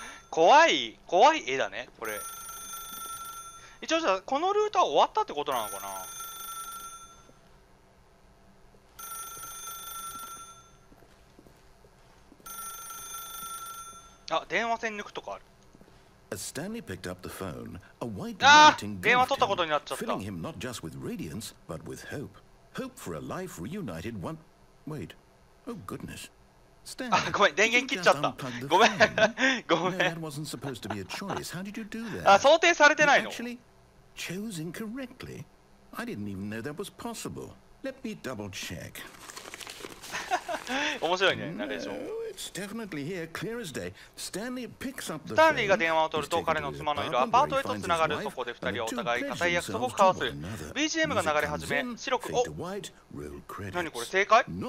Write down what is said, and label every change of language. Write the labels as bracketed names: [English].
[Japanese] 怖い絵だねこれ。一応じゃあこのルートは終わったってことなのかな。あ、電話線抜くとかある。 [English] As Stanley picked up the phone, a white light engulfed him, filling him not just with radiance, but with hope. Hope for a life reunited one... Wait. Oh goodness. [Japanese] Stanley, ごめん、電源切っちゃった。ごめん。ごめん。 [English] No, that wasn't supposed to be a choice. How did you do that? [Japanese] あ、想定されてないの。 [English] Actually, chose incorrectly. I didn't even know that was possible. Let me double check. [Japanese] 面白いね、ナレーション。スタンリーが電話を取ると彼の妻のいるアパートへとつながる。そこで二人はお互い固い約束を交わす。BGM が流れ始め、白く、お何これ、正解？